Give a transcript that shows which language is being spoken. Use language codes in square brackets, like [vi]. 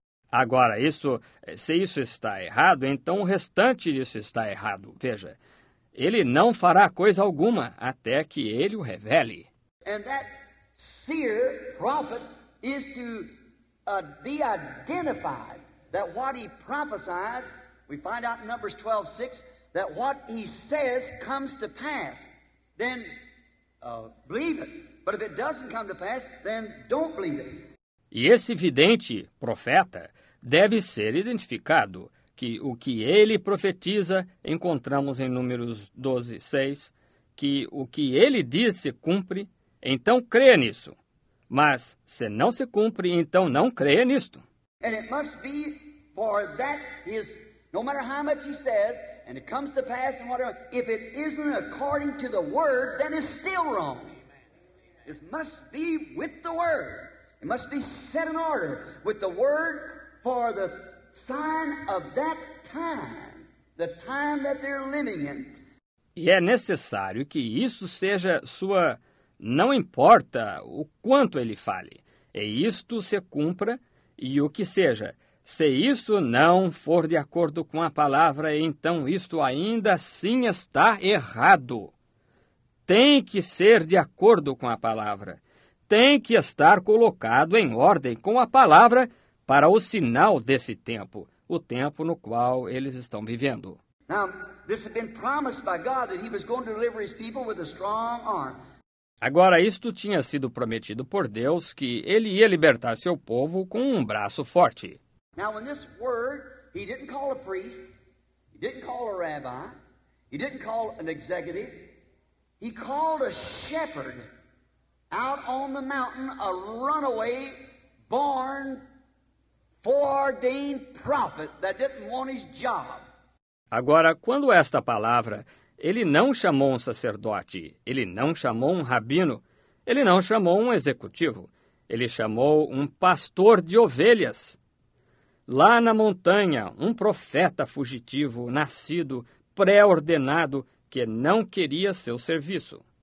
[pt] Agora, se isso está errado, então o restante disso está errado. Veja. Ele não fará coisa alguma até que ele o revele. [en] And that seer, prophet, is to be identified that what he prophesies, we find out in Numbers 12:6, that what he says comes to pass. Then believe it. But if it doesn't come to pass, then don't believe it. [pt] E esse vidente, profeta, deve ser identificado. Que o que ele profetiza, encontramos em Números 12, 6, que o que ele diz se cumpre, então crê nisso. Mas se não se cumpre, então não crê nisto. [en] And it must be for that is, no matter how much he says, and it comes to pass and whatever, if it isn't according to the word, then it's still wrong. It must be with the word. It must be set in order with the word for the sign of that time, the time that they're living in. [pt] E é necessário que isso seja sua, não importa o quanto ele fale, e isto se cumpra, e o que seja, se isso não for de acordo com a palavra, então isto ainda assim está errado. Tem que ser de acordo com a palavra, tem que estar colocado em ordem com a palavra para o sinal desse tempo, o tempo no qual eles estão vivendo. [en] Now, this had been promised by God that he was going to deliver his people with a strong arm. [pt] Agora, isto tinha sido prometido por Deus que ele ia libertar seu povo com um braço forte. [en] Now, in this word, he didn't call a priest, he didn't call a rabbi, he didn't call an executive. He called a shepherd out on the mountain, a runaway, born, foreordained prophet that didn't want his job. [pt] Agora, quando esta palavra, ele não chamou um sacerdote, ele não chamou um rabino, ele não chamou um executivo, ele chamou um pastor de ovelhas. Lá na montanha, um profeta fugitivo, nascido, pré-ordenado, que não queria seu serviço.